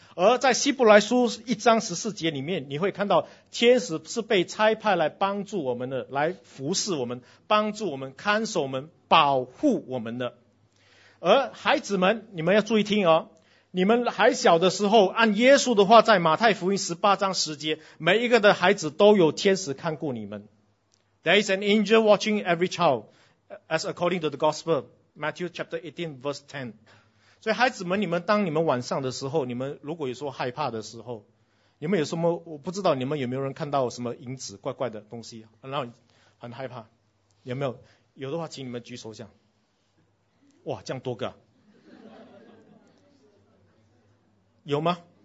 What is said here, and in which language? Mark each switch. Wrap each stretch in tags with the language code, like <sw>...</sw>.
<zh>而在希伯来书一章十四节里面，你会看到天使是被差派来帮助我们的，来服侍我们，帮助我们，看守我们，保护我们的。而孩子们，你们要注意听哦，你们还小的时候，按耶稣的话，在马太福音十八章十节，每一个的孩子都有天使看顾你们。</zh> <en>There is an angel watching every child as according to the gospel, Matthew chapter 18 verse 10。</en> <zh>所以孩子们，你们当你们晚上的时候，你们如果有说害怕的时候，你们有什么，我不知道你们有没有人看到什么影子怪怪的东西，然后很害怕，有没有？有的话请你们举手讲。哇，这样多个有吗？</zh>